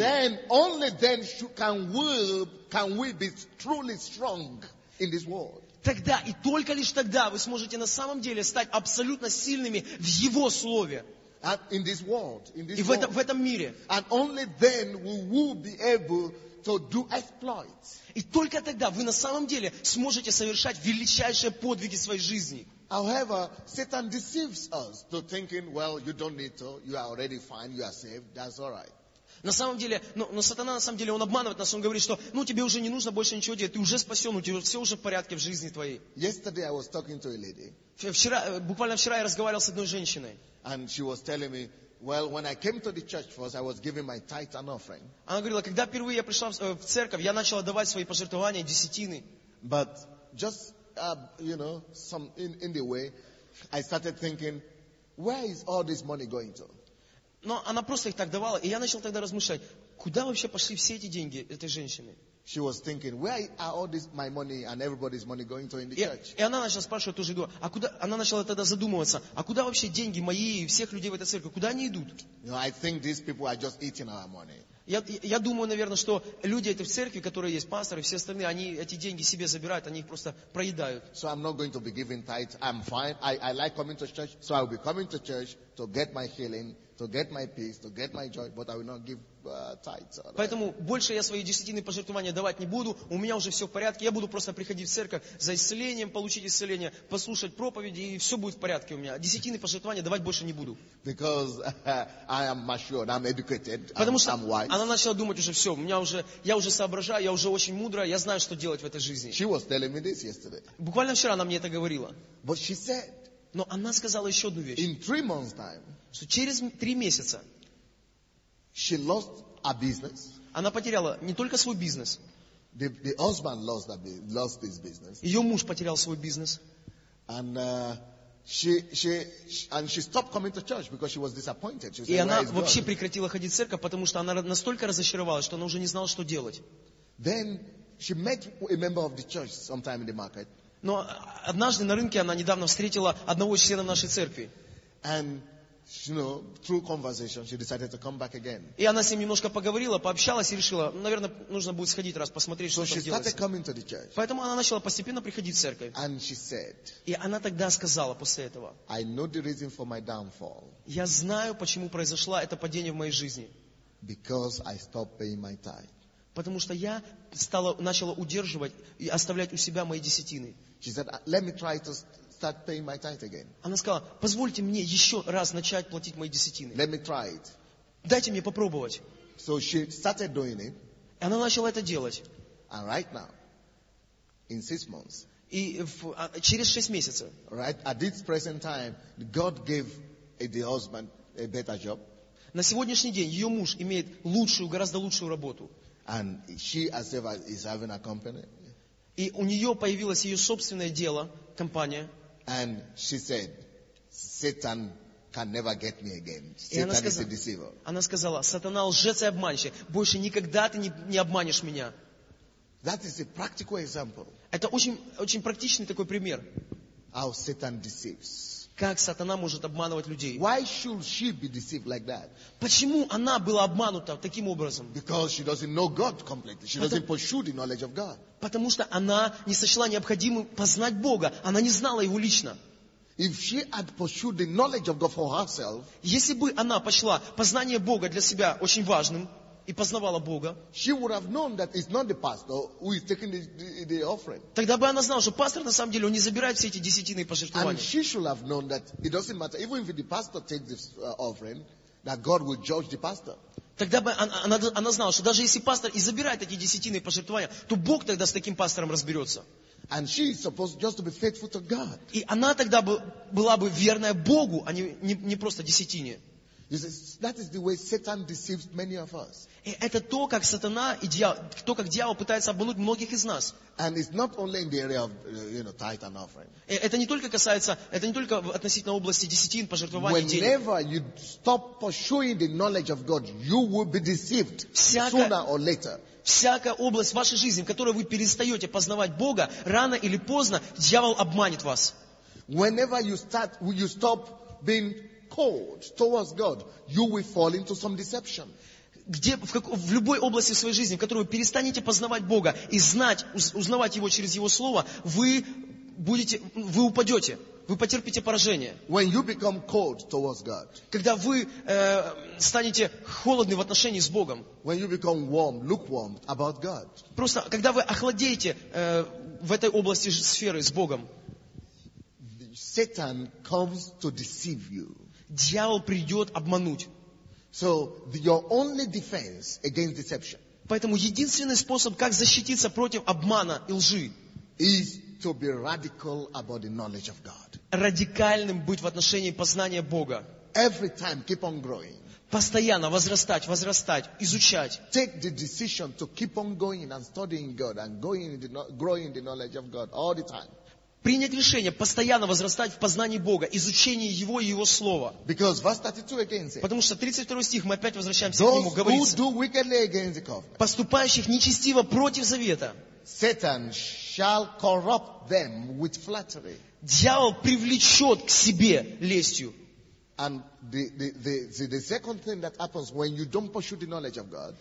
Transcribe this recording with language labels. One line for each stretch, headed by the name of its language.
English: Then only then can we be truly strong in this world.
Russian: Тогда и только лишь тогда вы сможете на самом деле стать абсолютно сильными в Его слове.
English: In this world, in this
Russian: и
English: world.
Russian: В этом мире.
English: And only then we will be able to do exploits.
Russian: И только тогда вы на самом деле сможете совершать величайшие подвиги своей жизни.
English: However, Satan deceives us to thinking, well, you don't need to, you are already fine, you are safe, that's all right.
Russian: На самом деле, но сатана на самом деле он обманывает нас, он говорит, что ну тебе уже не нужно больше ничего делать, ты уже спасен, у тебя все уже в порядке в жизни твоей.
English: Yesterday I was talking to a lady.
Russian: Буквально вчера я разговаривал с одной женщиной.
English: And she was telling me, well, when I came to the church first, I was giving my tithe and offering.
Russian: Она говорила, когда впервые я пришла в церковь, я начала давать свои пожертвования, десятины.
English: But just, you know, some in the way, I started thinking, where is all this money going to?
Russian: Но она просто их так давала, и я начал тогда размышлять, куда вообще пошли все эти деньги этой женщины?
English: She was thinking, where are all this my money and everybody's money going to in the church?
Russian: И она начала спрашивать тоже, а куда? Она начала тогда задумываться, а куда вообще деньги мои и всех людей в этой церкви? Куда они идут?
English: You know, I think these people are just eating our money.
Russian: Я думаю, наверное, что люди этой церкви, которые есть пастор и все остальные, они эти деньги себе забирают, они их просто проедают.
English: So I'm not going to be giving tithe. I'm fine. I like coming to church, so I will be coming to church to get my healing, to get my peace, to get my joy, but I will not give tithes.
Russian: Поэтому больше я свои десятины пожертвования давать не буду. У меня уже все в порядке. Я буду просто приходить в церковь за исцелением, получить исцеление, послушать проповеди, и все будет в порядке у меня. Десятины пожертвования давать больше не буду.
English: Because I am matured, I'm educated, I'm wise.
Russian: Она начала думать уже все. Я уже соображаю, я уже очень мудрая, я знаю, что делать в этой жизни.
English: She was telling me this yesterday.
Russian: Буквально вчера она мне это говорила.
English: But she said.
Russian: Но она сказала еще одну вещь.
English: In 3 months' time.
Russian: Что через 3 месяца
English: she lost her business.
Russian: Она потеряла не только свой бизнес.
English: The husband lost his business.
Russian: Ее муж потерял свой бизнес.
English: And She stopped coming to church because she was disappointed.
Russian: И она вообще прекратила ходить в церковь, потому что она настолько разочаровалась, что она уже не знала, что делать.
English: Then she met a member of the church sometime in the market.
Russian: Но однажды на рынке она недавно встретила одного члена нашей церкви.
English: And you know, through conversation, she decided to come back again.
Russian: И она с ним немножко поговорила, пообщалась и решила, наверное, нужно будет сходить раз посмотреть, что там делается.
English: So she started coming to the church.
Russian: Поэтому она начала постепенно приходить в церковь.
English: And she said.
Russian: И она тогда сказала после этого.
English: I know the reason for my downfall.
Russian: Я знаю, почему произошло это падение в моей жизни.
English: Because I stopped paying my tithe.
Russian: Потому что я стала, начала удерживать и оставлять у себя мои десятины.
English: She said, let me try to start paying my tithe again.
Russian: Она сказала, позвольте мне еще раз начать платить мои десятины.
English: Let me try it.
Russian: Дайте мне попробовать.
English: So she started doing it.
Russian: И она начала это делать.
English: And right now, in 6 months,
Russian: и в, через 6 месяцев,
English: right at this present time, God gave the husband a better job.
Russian: На сегодняшний день ее муж имеет лучшую, гораздо лучшую работу.
English: And she herself is having a company.
Russian: И у нее появилось ее собственное дело, компания.
English: And she said, Satan can never get me again. Satan is a deceiver.
Russian: Она сказала, сатана лжец и обманщик. Больше никогда ты не обманешь меня.
English: That is a practical example.
Russian: Это очень, очень практичный такой пример.
English: How Satan deceives.
Russian: Как сатана может обманывать людей?
English: Why should she be deceived like that?
Russian: Почему она была обманута таким образом?
English: Because she doesn't know God completely. She doesn't pursue the knowledge of God.
Russian: Потому что она не сочла необходимым познать Бога. Она не знала его лично.
English: If she had pursued the knowledge of God for herself,
Russian: если бы она пошла познание Бога для себя очень важным и познавала Бога,
English: she would have known that it's not the pastor who is taking the offering.
Russian: Тогда бы она знала, что пастор на самом деле он не забирает все эти десятины и пожертвования.
English: And she should have known that it doesn't matter, even if the pastor takes this offering, that God will judge the pastor.
Russian: Тогда бы она знала, что даже если пастор и забирает эти десятины и пожертвования, то Бог тогда с таким пастором разберется.
English: And she is supposed just to be faithful to God.
Russian: И она тогда была бы верная Богу, а не просто десятине.
English: That is the way Satan deceives many of us.
Russian: И это то, как сатана и дьявол, то, как дьявол пытается обмануть многих из нас.
English: And it's not only in the area of, you know, tithe and offering.
Russian: Это не только касается, это не только относительно области десятин, пожертвований, денег.
English: Whenever you stop pursuing the knowledge of God, you will be deceived sooner or later.
Russian: Всякая область вашей жизни, в которой вы перестаете познавать Бога, рано или поздно дьявол обманет вас.
English: Whenever you stop being cold towards God, you will fall into some deception.
Russian: Где, в любой области своей жизни, в которой вы перестанете познавать Бога и узнавать Его через Его Слово, вы упадете, вы потерпите поражение.
English: When you become cold towards God,
Russian: когда вы станете холодны в отношении с Богом.
English: When you become warm, lukewarm about God.
Russian: Просто, когда вы охладеете в этой области сферы с Богом.
English: Satan comes to deceive you.
Russian: Дьявол придет обмануть.
English: So your only defense against deception.
Russian: Поэтому единственный способ, как защититься против обмана и лжи,
English: is to be radical about the knowledge of God.
Russian: Радикальным быть в отношении познания Бога.
English: Every time keep on growing.
Russian: Постоянно возрастать, изучать.
English: Take the decision to keep on going and studying God and growing the knowledge of God all the time.
Russian: Принять решение постоянно возрастать в познании Бога, изучении Его и Его Слова. Потому что 32 стих, мы опять возвращаемся
English: those
Russian: к Нему, говорится,
English: who do wickedly against the covenant,
Russian: поступающих нечестиво против завета,
English: Satan shall corrupt them with flattery.
Russian: Дьявол привлечет к себе лестью.
English: And the second thing that happens when you don't pursue the knowledge of God.